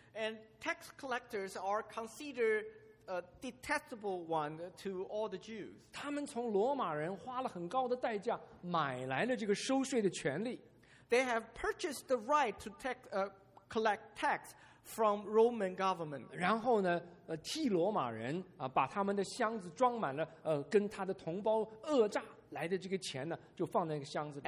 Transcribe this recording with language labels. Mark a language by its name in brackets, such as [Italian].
[English] And tax collectors are considered a detestable one to all the Jews. [Chinese] 他们从罗马人花了很高的代价买来了这个收税的权利。 [English] They have purchased the right to collect tax from Roman government. [Chinese] 然后呢, 替罗马人, 把他们的箱子装满了, 跟他的同胞讹诈来的这个钱呢, 就放在那个箱子里。